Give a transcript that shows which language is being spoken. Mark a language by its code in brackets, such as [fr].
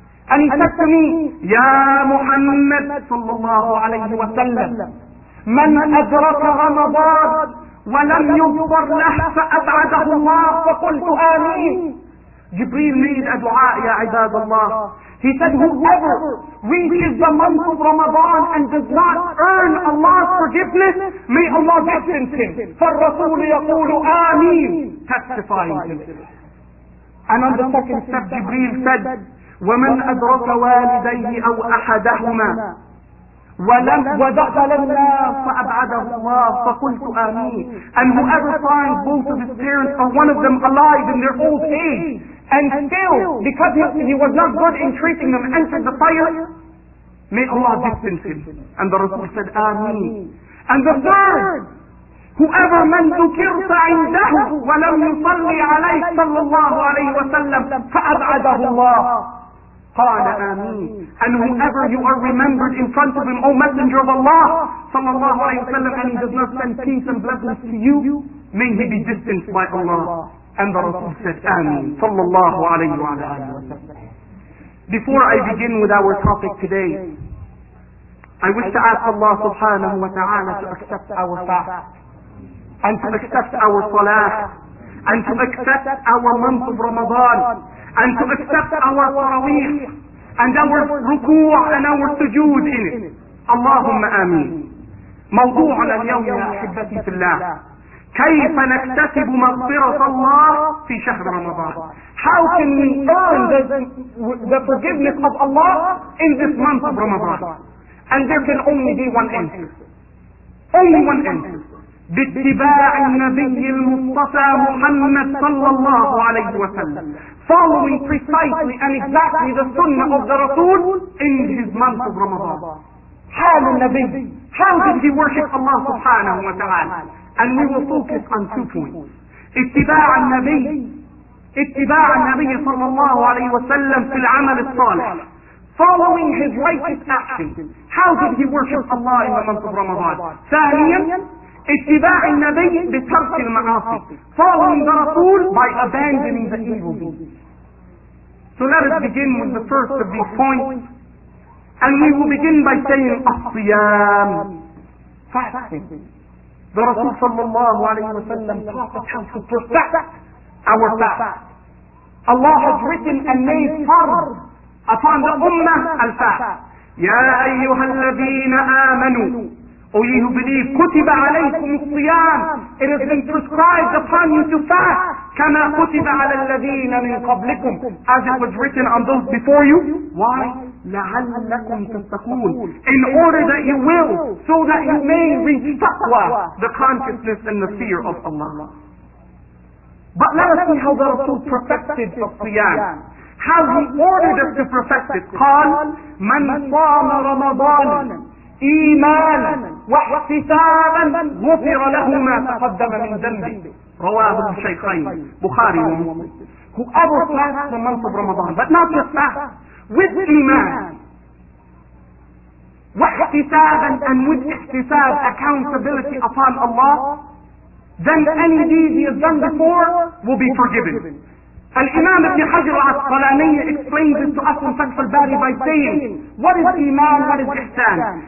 [en] And he said to me, Ya Muhammad sallallahu alayhi wa sallam, [ar] مَنْ أَدْرَكَ رَمَضَان وَلَمْ يُغْفَرْ لَهْ فَأَبْعَدَهُ اللَّهُ فَقُلْتُ آمِين. [en] Jibreel made a dua, ya عباد الله. He said, whoever reaches the month of Ramadan and does not earn Allah's forgiveness, may Allah distance him. [ar] فَالرَّسُولُ يَقُولُ آمِينَ. [en] Testifying to him. And on the second step, Jibreel said, [ar] وَمَنْ أَدْرَكَ وَالِدَيْهِ أَوْ أَحَدَهُمَا وَدَخَلَ اللَّهُ فَأَبْعَدَهُ اللَّهُ فَقُلْتُ آمِينَ. [en] And whoever finds both of his parents or one of them alive in their old age, and still, because he was not good in treating them, entered the fire, may Allah distance him. And the Rasul said, Ameen. And the third, whoever من ذكرت عنده ولم يصلي عليه صلى الله عليه وسلم فأبعده الله قال آمين. And whoever you are remembered in front of him, O Messenger of Allah صلى الله عليه وسلم, and he does not send peace and blessings to you, may he be distanced by Allah. And the Rasul said, Ameen, sallallahu alayhi wa sallam. Before I begin with our topic today, I wish to ask Allah subhanahu wa ta'ala to accept our fast, and to accept our salah, and to accept our month of Ramadan, and to accept our taraweeh, and our ruku' and our sujood in it. [ar] Allahumma ameen. Mawdu'na al-yawm ya ahibati fillah. كيف نكتسب مغفرة الله في شهر رمضان. [en] How can we earn the forgiveness of Allah in this month of Ramadan? And there can only be one answer. Only one answer. [ar] باتباع النبي المصطفى محمد صلى الله عليه وسلم. [en] Following precisely and exactly the sunnah of the Rasul in his month of Ramadan. [ar] حال النبي. [en] How did he worship Allah سبحانه وتعالى? And we will focus on two points. [ar] اتباع النبي. اتباع النبي صلى الله عليه وسلم في العمل الصالح. [en] Following his righteous action. How did he worship Allah in the month of Ramadan? [ar] ثانيا. اتباع النبي بترك المعاصي. [en] Following the Rasul by abandoning the evil deeds. So let us begin with the first of these points. And we will begin by saying الصيام. Fasting. The Rasul صلى الله عليه وسلم taught us how to perfect our fast. Allah has written and made fard upon the ummah al-fast. [ar] يا أيها الذين آمنوا. [en] O ye who believe, [ar] كُتِبَ عَلَيْكُمُ الصِّيَامُ. [en] It has been prescribed upon you to fast. [ar] كَمَا كُتِبَ عَلَى الَّذِينَ مِنْ قَبْلِكُمْ. [en] As it was written on those before you. [ar] Why? لَعَلَّكُمْ تَتَّقُونَ. [en] In order that you will, so that you may reach taqwa, the consciousness and the fear of Allah. But let us see how the Rasul perfected the الصِّيَامُ. How he ordered us to perfect it. [ar] قال مَنْ صَامَ رَمَضَانَ إيمانا واحتسابا غفر له ما تقدم من ذنبه. رواه الشيخين بخاري ومسلم. [en] Whoever fasts the month of Ramadan, but not just fast, with إيمان واحتسابا and with احتساب accountability upon Allah, then any deed he has done before will be forgiven. الإمام ابن حجر العسقلاني explains this to us in Fath al-Bari by saying, what is إيمان, what is إحسان?